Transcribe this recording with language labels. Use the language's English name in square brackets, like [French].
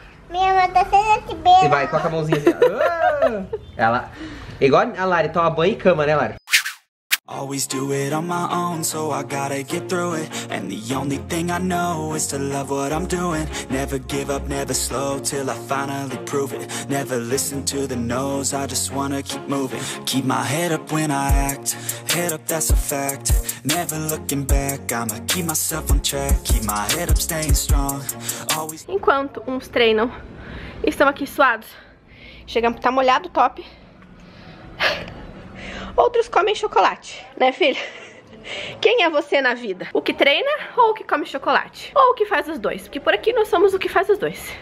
[Portuguese] Minha mão tá cheia de beijo. E vai, coloca a mãozinha assim. Ela... Igual a Lari, toma banho e cama, né, Lari? [English] Always do it on my own, so I gotta get through it. And the only thing I know is to love what I'm doing. Never give up, never slow, till I finally prove it. Never listen to the no's, I just wanna keep moving. Keep my head up when I act, head up, that's a fact. Never looking back, I'ma keep myself on track. Keep my head up, staying strong. Always... [Portuguese] Enquanto uns treinam, estamos aqui suados. Chegamos, tá molhado, top. Outros comem chocolate, né, filha? Quem é você na vida? O que treina ou o que come chocolate? Ou o que faz os dois? Porque por aqui nós somos o que faz os dois.